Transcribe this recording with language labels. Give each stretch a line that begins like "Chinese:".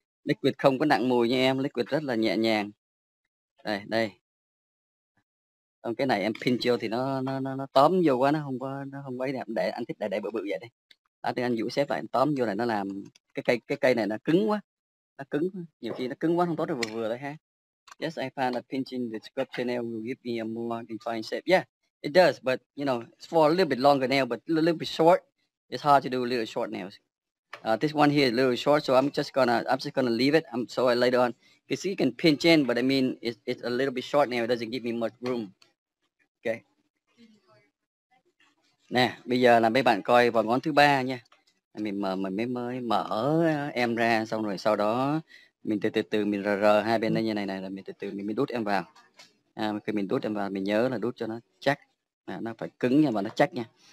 Vietnamese: Liquid không có nặng mùi nha em, liquid rất là nhẹ nhàng. Đây đây. Còn cái này em pin chiêu thì nó tóm vô quá, nó không có ấy đẹp. Để anh thích để bự bự vậy đi. Đó thì anh dụ sếp lại anh tóm vô này nó làm cái cây này nó cứng quá. Nó cứng, nhiều khi nó cứng quá không tốt được, vừa vừa thôi ha.
English: Yes, I found that pinching the scrub channel will give me a more defined shape. Yeah, it does, but you know, it's for a little bit longer nail, but a little bit short. It's hard to do a little short nails. This one here is a little short, so I'm just gonna leave it. So I later on, because you can pinch in, but I mean it's a little bit short nail. It doesn't give me much room. Okay.
Vietnamese: Nè, bây giờ là mấy bạn coi vào ngón thứ ba nha. Mình mở mình mới mới mở em ra, xong rồi sau đó mình từ từ mình rờ hai bên đây như này này, là mình từ từ mình mới đút em vào. Khi mình đút em vào mình nhớ là đút cho nó chắc. Nó phải cứng nha và nó chắc nha.